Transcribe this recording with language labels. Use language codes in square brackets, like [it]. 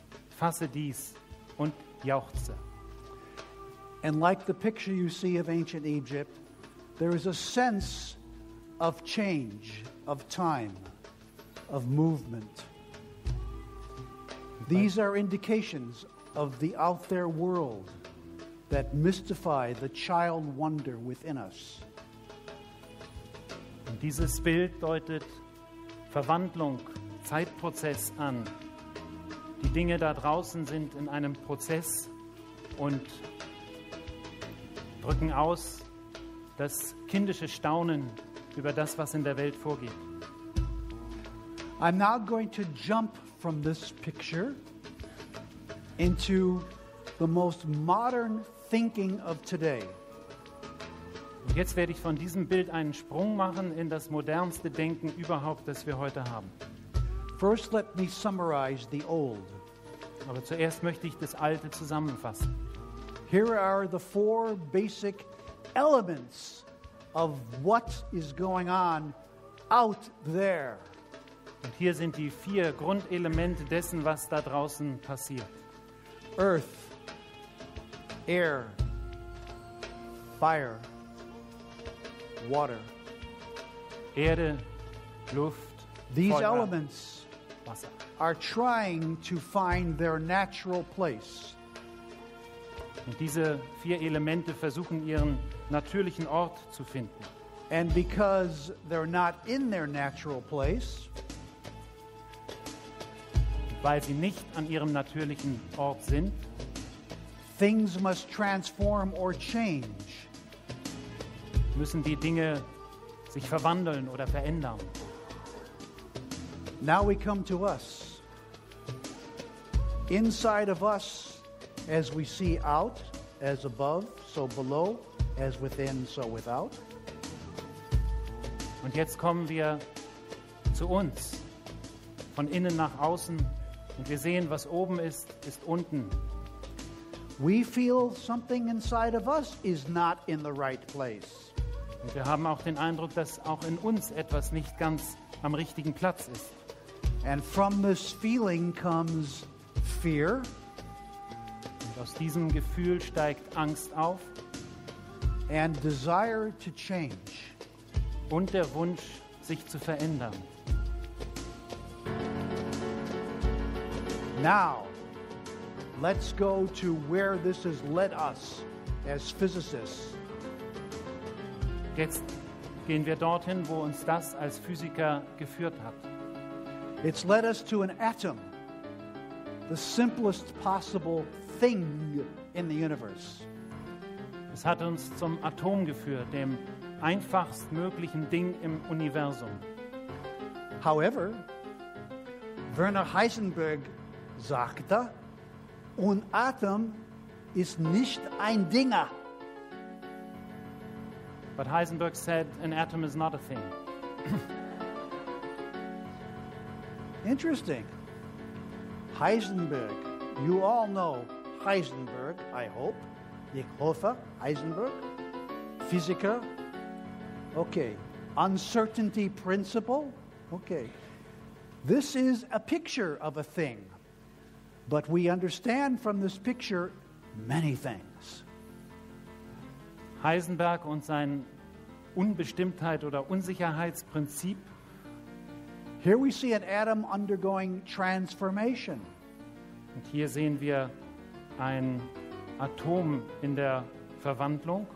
[de] Fasse dies und jauchze. [en] And like the picture you see of ancient Egypt, there is a sense of change, of time, of movement. These are indications of the out there world that mystify the child wonder within us. [de] Und dieses Bild deutet Verwandlung, Zeitprozess an. Die Dinge da draußen sind in einem Prozess und drücken aus das kindische Staunen über das, was in der Welt vorgeht. [en] I'm now going to jump from this picture into the most modern thinking of today. [de] Und jetzt werde ich von diesem Bild einen Sprung machen in das modernste Denken überhaupt, das wir heute haben. [en] First, let me summarize the old. [de] Aber zuerst möchte ich das Alte zusammenfassen. [en] Here are the four basic elements of what is going on out there. [de] Und hier sind die vier Grundelemente dessen, was da draußen passiert. [en] Earth, air, fire, water. [de] Erde, Luft, [en] these [de] Feuer, [en] elements [de] Wasser. [en] Are trying to find their natural place. [de] Und diese vier Elemente versuchen ihren natürlichen Ort zu finden. [en] And because they're not in their natural place, [de] weil sie nicht an ihrem natürlichen Ort sind, [en] things must transform or change. [de] Müssen die Dinge sich verwandeln oder verändern. [en] Now we come to us. Inside of us, as we see out, as above, so below, as within, so without. [de] Und jetzt kommen wir zu uns, von innen nach außen, und wir sehen, was oben ist, ist unten. [en] We feel something inside of us is not in the right place. [de] Und wir haben auch den Eindruck, dass auch in uns etwas nicht ganz am richtigen Platz ist. [en] And from this feeling comes fear. [de] Und aus diesem Gefühl steigt Angst auf. [en] And desire to change. [de] Und der Wunsch, sich zu verändern. [en] Now, let's go to where this has led us as physicists. [de] Jetzt gehen wir dorthin, wo uns das als Physiker geführt hat. [en] It's led us to an atom, the simplest possible thing in the universe. [de] Es hat uns zum Atom geführt, dem einfachst möglichen Ding im Universum. [en] However, [de] Werner Heisenberg sagte, ein Atom ist nicht ein Dinger. [en] But Heisenberg said, an atom is not a thing. Interesting. Heisenberg. You all know Heisenberg, I hope. [de] Ich hoffe, Heisenberg. Physiker. Okay. [en] Uncertainty principle. Okay. This is a picture of a thing. But we understand from this picture many things. [de] Heisenberg und sein Unbestimmtheit oder Unsicherheitsprinzip. [en] Here we see an atom undergoing transformation. [de] Und hier sehen wir ein Atom in der Verwandlung.